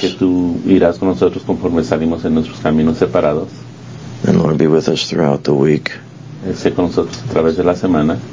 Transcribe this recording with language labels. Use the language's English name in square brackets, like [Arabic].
[Spanish] Que tú irás con nosotros conforme salimos en nuestros caminos separados. [English] And Lord, be with us throughout the week. [Spanish] Esté con nosotros a través de la semana.